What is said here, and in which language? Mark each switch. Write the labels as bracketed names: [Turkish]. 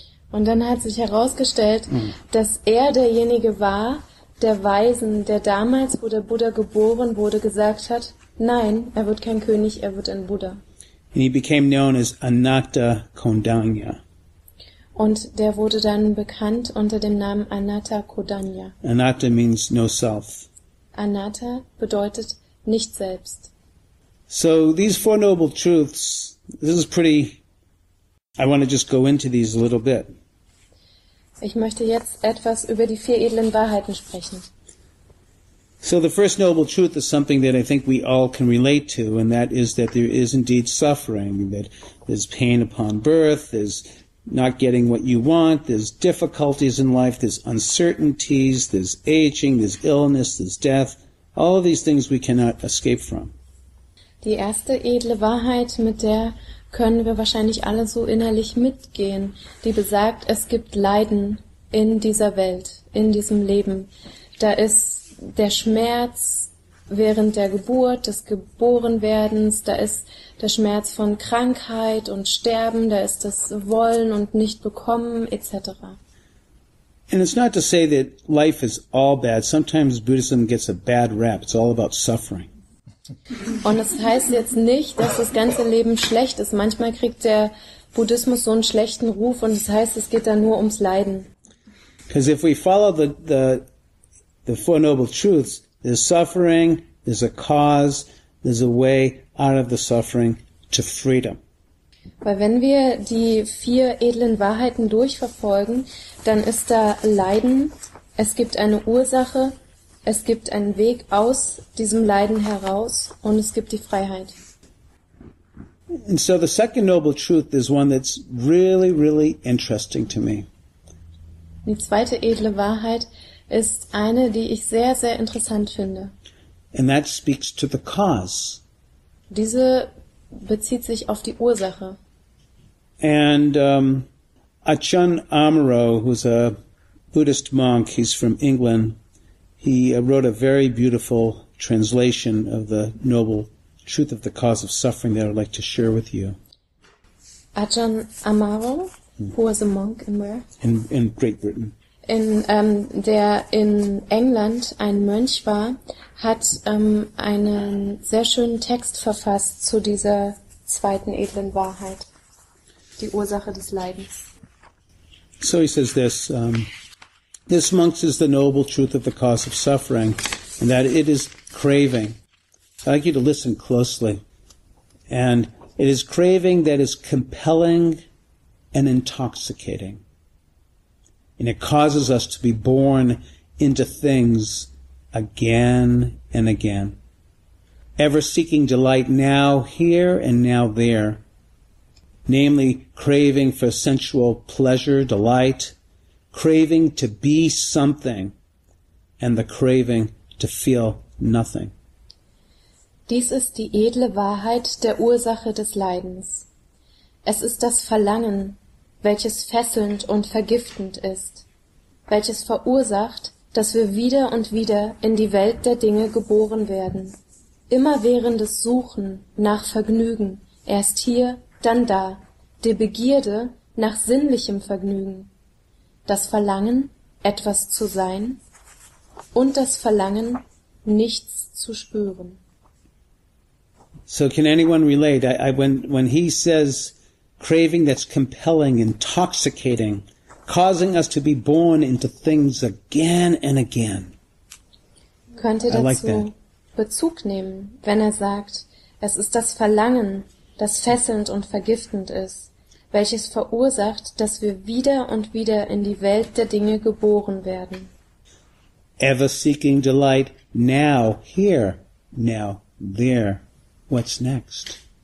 [German] Und dann hat sich herausgestellt, dass er derjenige war, der Weisen, der damals, wo der Buddha geboren wurde, gesagt hat, nein, er wird kein König, er wird ein Buddha. [English] And he became known as Anatta Kodanya. [German] Und der wurde dann bekannt unter dem Namen Anatta Kodanya. [English] Anatta means no self. [German] Anatta bedeutet nicht selbst. [English] So these Four Noble Truths, this is pretty, I want to just go into these a little bit. [German] Ich möchte jetzt etwas über die vier edlen Wahrheiten sprechen. [English] So the First Noble Truth is something that I think we all can relate to, and that is that there is indeed suffering, that there's pain upon birth, there's not getting what you want, there's difficulties in life, there's uncertainties, there's aging, there's illness, there's death, all of these things we cannot escape from. [German] Die erste edle Wahrheit, mit der können wir wahrscheinlich alle so innerlich mitgehen, die besagt, es gibt Leiden in dieser Welt, in diesem Leben. Da ist der Schmerz während der Geburt, des Geborenwerdens, da ist der Schmerz von Krankheit und Sterben, da ist das Wollen und Nichtbekommen, etc. [English] And it's not to say that life is all bad. Sometimes Buddhism gets a bad rap. It's all about suffering. [German] Und es heißt jetzt nicht, dass das ganze Leben schlecht ist. Manchmal kriegt der Buddhismus so einen schlechten Ruf und es heißt, es geht da nur ums Leiden. [English] Because if we follow the Four Noble Truths, there's suffering, there's a cause, there's a way out of the suffering to freedom. [German] Weil wenn wir die vier edlen Wahrheiten durchverfolgen, dann ist da Leiden, es gibt eine Ursache, es gibt einen Weg aus diesem Leiden heraus und es gibt die Freiheit. [English] And so the second noble truth is one that's really, really interesting to me. [German] Die zweite edle Wahrheit ist eine, die ich sehr, sehr interessant finde. [English] And that speaks to the cause. [German] Diese bezieht sich auf die Ursache. [English] And Achan Amaro, who's a Buddhist monk, he's from England. He wrote a very beautiful translation of the noble truth of the cause of suffering that I'd like to share with you. Ajahn Amaro, who was a monk in where? In Great Britain. [German] In der in England ein Mönch war, hat einen sehr schönen Text verfasst zu dieser zweiten edlen Wahrheit, die Ursache des Leidens. [English] So he says this. This monks is the noble truth of the cause of suffering, and that it is craving. I'd like you to listen closely. And it is craving that is compelling and intoxicating. And it causes us to be born into things again and again. Ever seeking delight now here and now there. Namely, craving for sensual pleasure, delight, craving to be something and the craving to feel nothing. [German] Dies ist die edle Wahrheit der Ursache des Leidens. Es ist das Verlangen, welches fesselnd und vergiftend ist, welches verursacht, dass wir wieder und wieder in die Welt der Dinge geboren werden. Immerwährendes Suchen nach Vergnügen, erst hier, dann da, der Begierde nach sinnlichem Vergnügen, das Verlangen, etwas zu sein und das Verlangen, nichts zu spüren. [English] So can anyone relate? When he says craving that's compelling, intoxicating, causing us to be born into things again and again. [German] Könnt ihr dazu Bezug nehmen, wenn er sagt, es ist das Verlangen, das fesselnd und vergiftend ist, welches verursacht, dass wir wieder und wieder in die Welt der Dinge geboren werden. [English] Ever seeking delight, now here, now there, what's next?